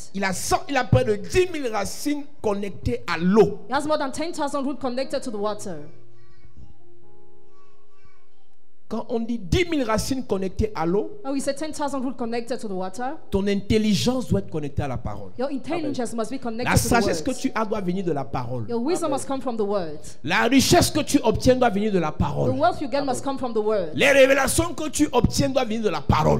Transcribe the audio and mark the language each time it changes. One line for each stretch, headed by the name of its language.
French: Il a près de 10 000 racines connectées à l'eau.
English: He has more than 10,000 roots connected to the water.
French: Quand on dit 10 000 racines connectées à l'eau,
English: oh, we say 10,000 roots connected to the water.
French: Ton intelligence doit être connectée à la parole.
English: Your intelligence Amen. Must be connected
French: la
English: to the word.
French: La sagesse que tu as doit venir de la parole.
English: Your wisdom Amen. Must come from the word.
French: La richesse que tu obtiens doit venir de la parole.
English: The wealth you get Amen. Must come from the word.
French: Les révélations que tu obtiens doivent venir de la parole.